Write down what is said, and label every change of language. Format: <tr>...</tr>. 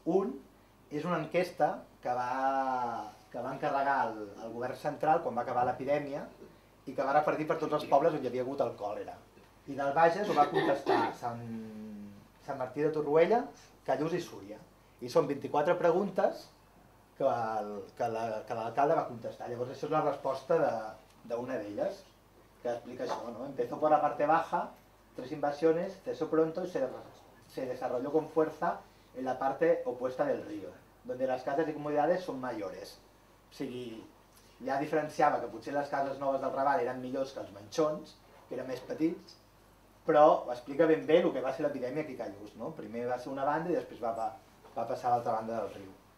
<ca>Un és una enquesta que va, encarregar el, govern central quan va acabar l'epidèmia i que va repartir per tots els pobles on hi havia hagut el còlera. I del Bages ho va contestar Sant, Martí de Torroella, Callús i Súria. I són 24 preguntes que, l'alcalde va contestar. Llavors això és la resposta d'una d'elles, que explica això, no?</ca> <es>Empezó por la parte baja, tres invasiones, cesó pronto y se desarrolló con fuerza en la parte opuesta del río, donde las casas y comunidades son mayores.</es> <ca>O sigui, ja diferenciava que potser les cases noves del Raval eren millors que els manxons, que eren més petits, però explica ben bé el que va ser l'epidèmia aquí a Callús, no? Primer va ser una banda i després va, passar a l'altra banda del riu.</ca>